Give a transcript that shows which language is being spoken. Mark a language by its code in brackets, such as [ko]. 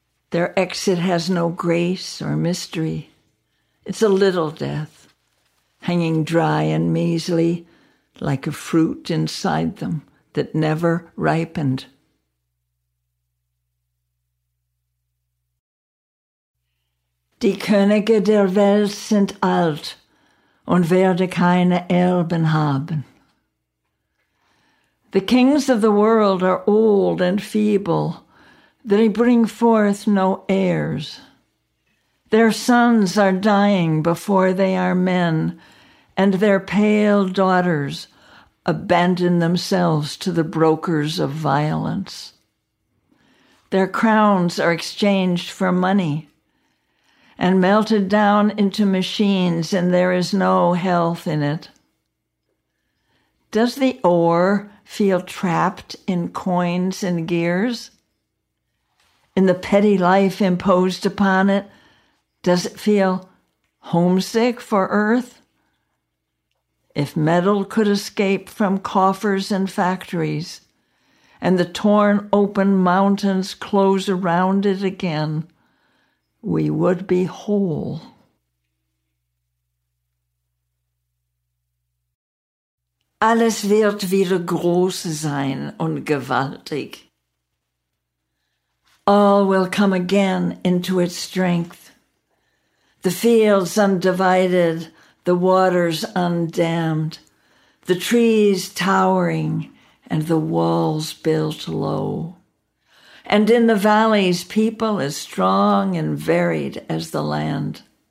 [en] Their exit has no grace or mystery. It's a little death, hanging dry and measly like a fruit inside them that never ripened. [de] Die Könige der Welt sind alt. Und werde keine Erben haben. [en] The kings of the world are old and feeble. They bring forth no heirs. Their sons are dying before they are men, and their pale daughters abandon themselves to the brokers of violence. Their crowns are exchanged for money, and melted down into machines, and there is no health in it. Does the ore feel trapped in coins and gears? In the petty life imposed upon it, does it feel homesick for earth? If metal could escape from coffers and factories, and the torn open mountains close around it again, we would be whole. [de] Alles wird wieder groß sein und gewaltig. [en] All will come again into its strength. The fields undivided, the waters undammed, the trees towering, and the walls built low. And in the valleys, people as strong and varied as the land.